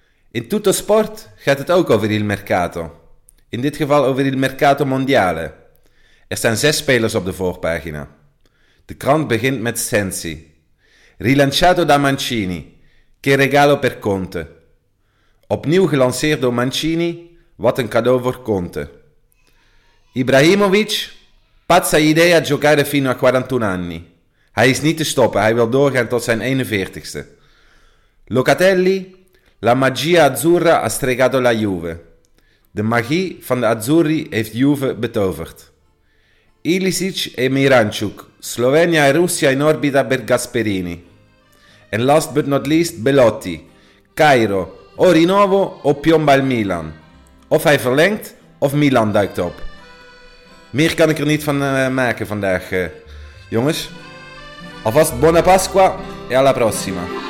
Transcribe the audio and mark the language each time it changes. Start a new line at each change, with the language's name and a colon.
Dutch: In Tutto Sport gaat het ook over
Italian: il mercato.
Dutch: In dit geval over
Italian: il mercato mondiale.
Dutch: Er staan 6 spelers op de voorpagina. De krant begint met Sensi.
Italian: Rilanciato da Mancini. Che regalo per Conte.
Dutch: Opnieuw gelanceerd door Mancini. Wat een cadeau voor Conte.
Italian: Ibrahimovic. Pazza idea giocare fino a 41 anni.
Dutch: Hij is niet te stoppen. Hij wil doorgaan tot zijn 41ste. Locatelli.
Italian: La magia azzurra ha stregato la Juve.
Dutch: De magie van de Azzurri heeft Juve betoverd.
Italian: Ilicic e Miranchuk. Slovenia e Russia in orbita per Gasperini.
English: And last but not least,
Italian: Belotti. Cairo, o rinnovo o piomba al Milan.
Dutch: Of hij verlengt, of Milan duikt op. Meer kan ik er niet van maken vandaag, jongens. Alvast
Italian: buona Pasqua e alla prossima.